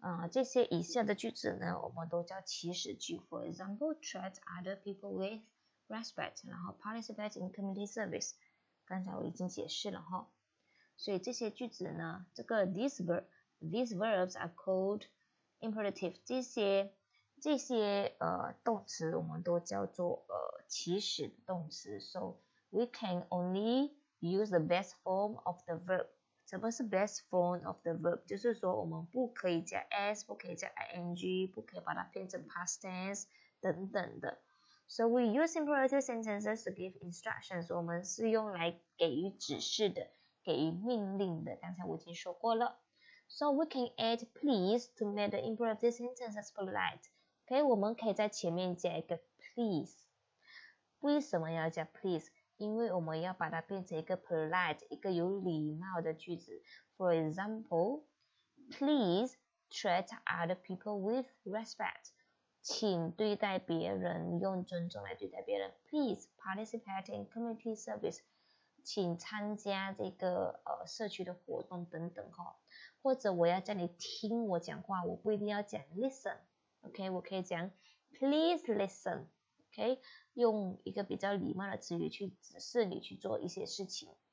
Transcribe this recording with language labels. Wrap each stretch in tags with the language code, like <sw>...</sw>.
<zh>这些以下的句子呢，我们都叫祈使句。</zh> <en>For example, treat other people with respect, 然后 participate in community service.</en> <zh>刚才我已经解释了哈。所以这些句子呢，这个</zh> <en>these verbs are called imperative.</en> <zh>这些动词我们都叫做祈使动词。</zh> <en>So we can only use the best form of the verb.</en> <zh>什么是</zh> <en>best form of the verb?</en> <zh>就是说我们不可以加 s, 不可以加 ing, 不可以把它变成 past tense 等等的。</zh> <en>So we use imperative sentences to give instructions.</en> <zh>我们是用来给予指示的。给命令的，刚才我已经说过了。</zh> <en>So we can add please to make the imperative sentences polite.</en> <zh>OK, 我们可以在前面加一个 please. 为什么要加 please? 因为我们要把它变成一个 polite, 一个有礼貌的句子。</zh> <en>For example, please treat other people with respect.</en> <zh>请对待别人，用尊重来对待别人。</zh> <en>Please participate in community service.</en> <zh>请参加这个社区的活动等等哈，或者我要叫你听我讲话，我不一定要讲 listen, OK, 我可以讲 please listen, OK, 用一个比较礼貌的词语去指示你去做一些事情。</zh>